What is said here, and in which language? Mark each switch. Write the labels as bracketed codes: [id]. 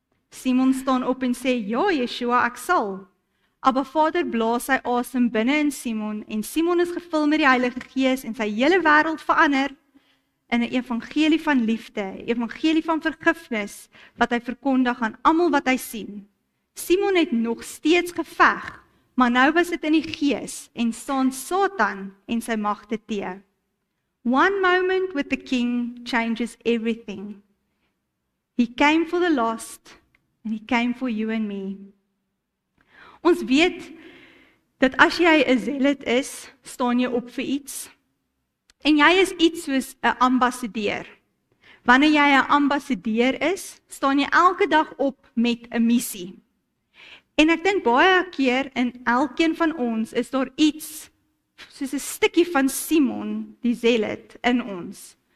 [af] Simon staan op en sê, ja, Yeshua, ek sal. Abba Vader blaas sy asem binne in Simon, en Simon is gevul met die Heilige Gees, en sy hele wêreld verander, in 'n evangelie van liefde, evangelie van vergifnis, wat hy verkondig aan almal wat hy sien. Simon het nog steeds geveg, maar nou was dit in die Gees, en staan Satan en sy magte teë. [en] One moment with the king changes everything. He came for the lost and he came for you and me. [af] Ons weet dat as jy 'n zealot is, staan jy op vir iets. En jy is iets soos 'n ambassadeur. Wanneer jy 'n ambassadeur is, staan jy elke dag op met 'n missie. En ek dink baie keer in elkeen van ons is daar iets soos 'n stikkie van Simon, die zealot, in ons.